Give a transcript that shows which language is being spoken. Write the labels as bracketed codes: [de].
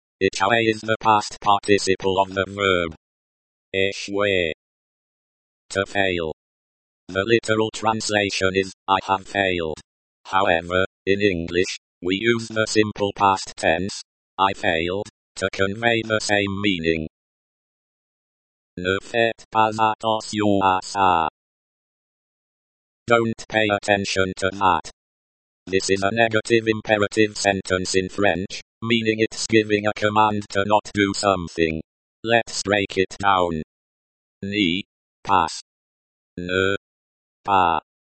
[en] Échoué is the past participle of the verb [fr] échoué [en] to fail. The literal translation is, I have failed. However, in English, we use the simple past tense, I failed, to convey the same meaning. [fr] Ne faites pas attention à ça. [en] Don't pay attention to that. This is a negative imperative sentence in French, meaning it's giving a command to not do something. Let's break it down. [fr] Ne pas. Ne pas